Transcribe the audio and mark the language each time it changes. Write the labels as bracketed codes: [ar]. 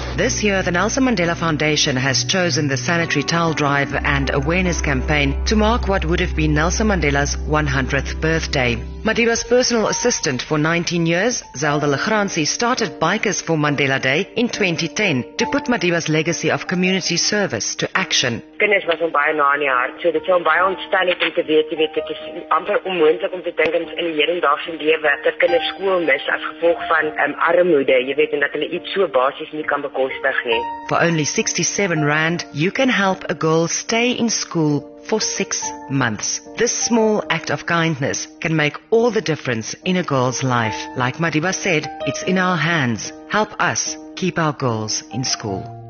[en] This year, the Nelson Mandela Foundation has chosen the Sanitary Towel Drive and Awareness Campaign to mark what would have been Nelson Mandela's 100th birthday. Madiba's personal assistant for 19 years, Zelda Legrandsi, started Bikers for Mandela Day in 2010 to put Madiba's legacy of community service to action. [af] Kinders was baie na in die hart, so dit is om baie ontstellend om te weet, dit is amper onmoontlik om te dink in die hedendaagse lewe dat kinders skool mis as gevolg van armoede, jy weet, en dat hulle iets so basies nie kan bekostig nie. [en] For only 67 rand, you can help a girl stay in school for 6 months. This small act of kindness can make all the difference in a girl's life. Like Madiba said, it's in our hands. Help us keep our girls in school.